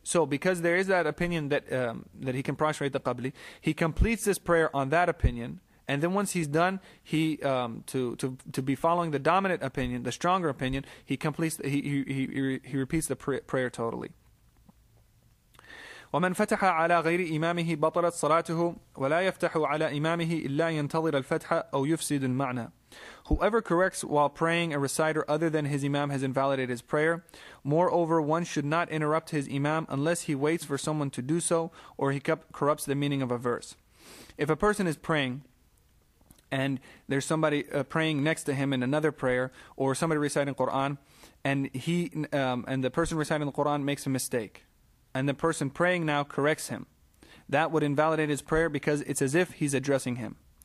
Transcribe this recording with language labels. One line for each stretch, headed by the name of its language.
English: So because there is that opinion that that he can prostrate the qabli, he completes this prayer on that opinion. And then once he's done, to be following the dominant opinion, the stronger opinion, he completes he repeats the prayer totally.
Arabic: ومن فتح على غير إمامه بطلت صلاته ولا يفتح على إمامه إلا ينتظر الفتح أو يفسد المعنى.
English: Whoever corrects while praying a reciter other than his imam has invalidated his prayer. Moreover, one should not interrupt his imam unless he waits for someone to do so, or he corrupts the meaning of a verse. If a person is praying and there's somebody praying next to him in another prayer, or somebody reciting Quran, and the person reciting the Quran makes a mistake, and the person praying now corrects him, that would invalidate his prayer because it's as if he's addressing him.